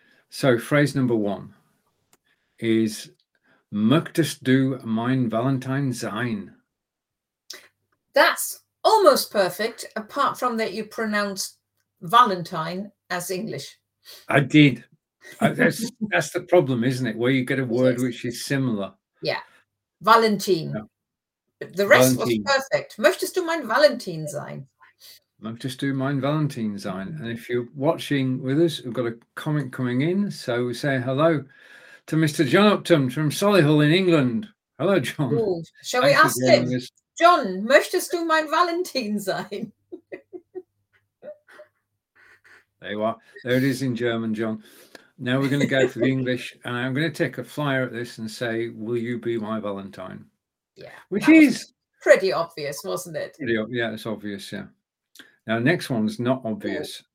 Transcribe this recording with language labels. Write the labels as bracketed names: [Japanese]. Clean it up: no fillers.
[English] So phrase number one is, [German] Möchtest du mein Valentine sein? [English] That's almost perfect, apart from that you pronounce Valentine as English. I did. that's the problem, isn't it? Where you get a word which is similar. Yeah. Valentine. Yeah. The rest Valentine. Was perfect. [German] Möchtest du mein Valentin sein? Möchtest du mein Valentin sein? [English] And if you're watching with us, we've got a comment coming in. So we say hello to Mr. John Upton from Solihull in England. Hello, John. Ooh, shall Thanks we ask him? This. [German] John, möchtest du mein Valentin sein? [English] There you are. There it is in German, John. Now we're going to go for the English. And I'm going to take a flyer at this and say, will you be my Valentine? Yeah, which is pretty obvious, wasn't it? Yeah, it's obvious. Yeah. Now, next one's not obvious.